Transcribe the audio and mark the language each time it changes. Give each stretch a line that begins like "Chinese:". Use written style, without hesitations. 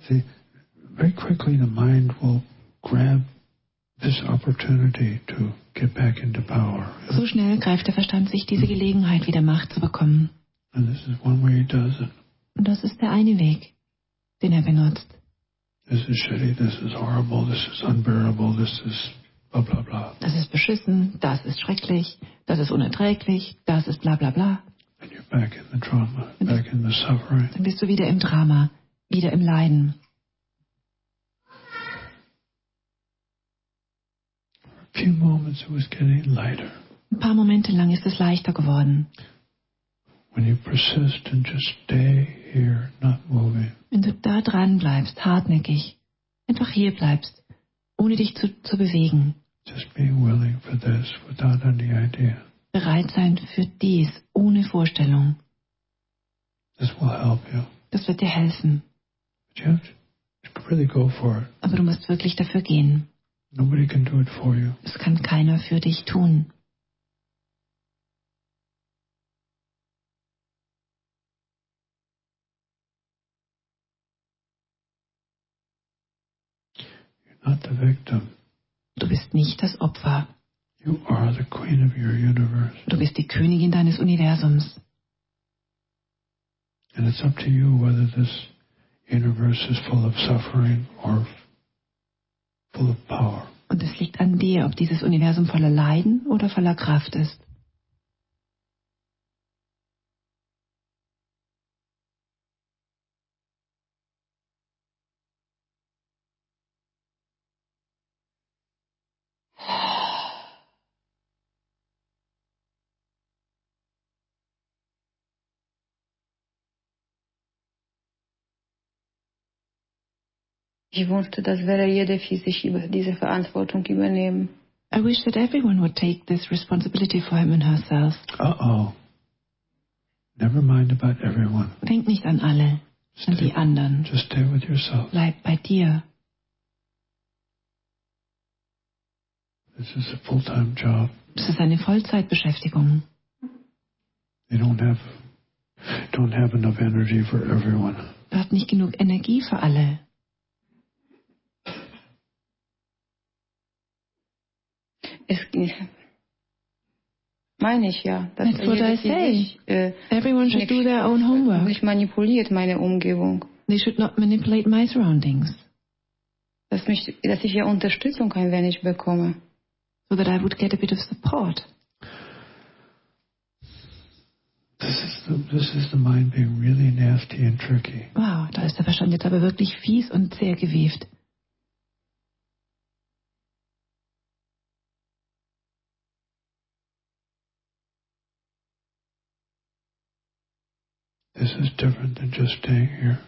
English: See, very quickly the mind will grab this opportunity to get back into power.
German: So schnell greift der Verstand sich diese Gelegenheit, wieder Macht zu bekommen.
English: And this is one way he does it.
German: Und das ist der eine Weg, den er benutzt.
English: This is shitty, this is horrible, this is unbearable, this is blah blah blah.
German: Das ist beschissen, das ist schrecklich, das ist unerträglich, das ist bla bla bla.
English: And you're back in the drama, back in the suffering.
German: Dann bist du wieder im Drama, wieder im Leiden.
English: For a few moments it was getting lighter.
German: Ein paar Momente lang ist es leichter geworden.
English: When you persist and just stay here, not moving.
German: Wenn du da dran bleibst, hartnäckig, einfach hier bleibst, ohne dich zu bewegen.
English: Just being willing for this without any idea.
German: Bereit sein für dies, ohne Vorstellung.
English: This will help you.
German: Das wird dir helfen.
English: But you have to really go for it.
German: Aber du musst wirklich dafür gehen.
English: Nobody can do it for you.
German: Es kann keiner für dich tun.
English: Not the victim.
German: Du bist nicht das Opfer.
English: You are the queen of your universe.
German: Du bist die Königin deines Universums.
English: And it's up to you whether this universe is full of suffering or full of power.
German: Und es liegt an dir, ob dieses Universum voller Leiden oder voller Kraft ist. Ich wünschte, dass wäre jeder für sich über diese Verantwortung übernehmen.
English: I wish that everyone would take this responsibility for him and herself. Uh-oh. Never mind about everyone.
German: Denk nicht an alle, an die anderen.
English: Just stay with yourself.
German: Bleib bei dir.
English: This is a full-time job.
German: Das ist eine Vollzeitbeschäftigung.
English: You don't have enough energy for everyone.
German: Du hast nicht genug Energie für alle. Meine ich ja.
English: That's what I say. Everyone should do their own homework.
German: Mich manipuliert meine Umgebung.
English: They should not manipulate my surroundings.
German: Dass ich ja Unterstützung ein wenig bekomme.
English: So that I would get a bit of support. This is the mind being really nasty and tricky.
German: Wow, da ist der Verstand jetzt aber wirklich fies und zäh gewieft.
English: This is different than just staying here.